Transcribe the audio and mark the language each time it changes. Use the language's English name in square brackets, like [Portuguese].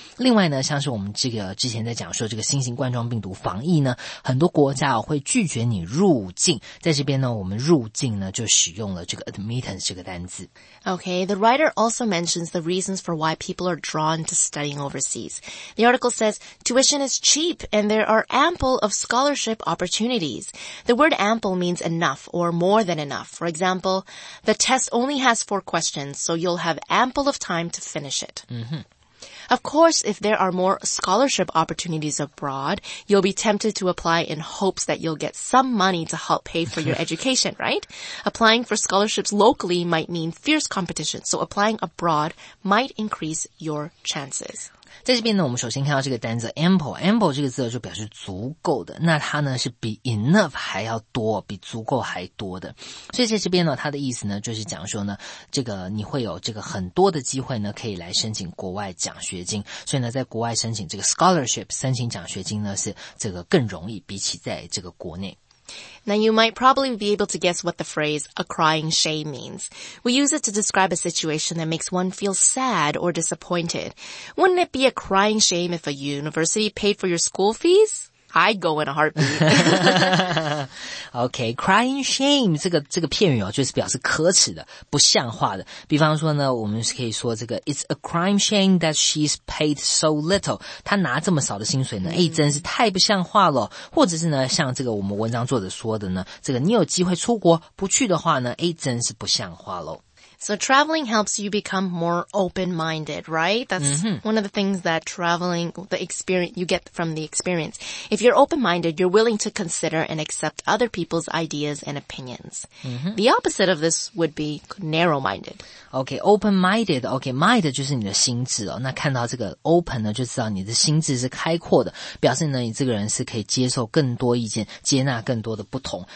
[Chinese] 另外呢，像是我们这个之前在讲说这个新型冠状病毒防疫呢，很多国家会拒绝你入境，在这边呢我们入境呢就使用了这个 admittance 这个单字。 [English] Okay, the writer also mentions the reasons for why people are drawn to studying overseas. The article says tuition is cheap and there are ample of scholarship opportunities. The word ample means enough or more than enough. For example, the test only has 4 questions, so you'll have ample of time to finish it. Mm-hmm. Of course, if there are more scholarship opportunities abroad, you'll be tempted to apply in hopes that you'll get some money to help pay for your education, right? Applying for scholarships locally might mean fierce competition, so applying abroad might increase your chances. [Chinese] 在这边呢，我们首先看到这个单字 ample， ample 这个字就表示足够的，那它呢是比 enough 还要多，比足够还多的。所以在这边呢，它的意思呢就是讲说呢，这个你会有这个很多的机会呢可以来申请国外奖学金，所以呢在国外申请这个 scholarship， 申请奖学金呢是这个更容易比起在这个国内。 [English] Now you might probably be able to guess what the phrase a crying shame means. We use it to describe a situation that makes one feel sad or disappointed. Wouldn't it be a crying shame if a university paid for your school fees? I'd go in a heartbeat. [Chinese] Okay, crying shame, 这个片语哦，就是表示可耻的，不像话的。比方说呢，我们可以说这个 [English] It's a crying shame that she's paid so little. [Chinese] 她拿这么少的薪水呢，哎，真是太不像话了。或者是呢，像这个我们文章作者说的呢，这个你有机会出国不去的话呢，哎，真是不像话了。 [English] So traveling helps you become more open-minded, right? That's、mm-hmm. one of the things that traveling, the experience, you get from the experience. If you're open-minded, you're willing to consider and accept other people's ideas and opinions.、 Mm-hmm. The opposite of this would be narrow-minded. [Chinese] Okay, open-minded. Okay, mind 就是你的心智哦。那看到这个 open 呢，就知道你的心智是开阔的，表示呢你这个人是可以接受更多意见，接纳更多的不同。